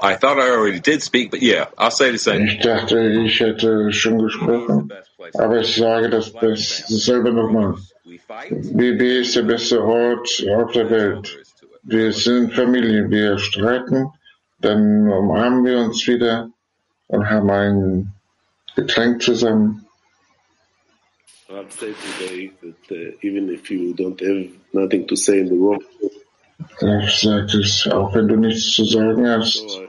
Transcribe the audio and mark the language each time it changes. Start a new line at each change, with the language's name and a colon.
English: I thought I already did speak, but yeah, I'll say the same.
German: Ich dachte, ich hätte schon gesprochen, aber ich sage das dasselbe nochmal. BB ist der beste Ort auf der Welt. Wir sind Familie. Wir streiten, dann umarmen wir uns wieder und haben ein Getränk zusammen.
English: I'd say today that even if you don't have nothing to say in the world.
German: Ich sage es, auch wenn du nichts zu sagen hast.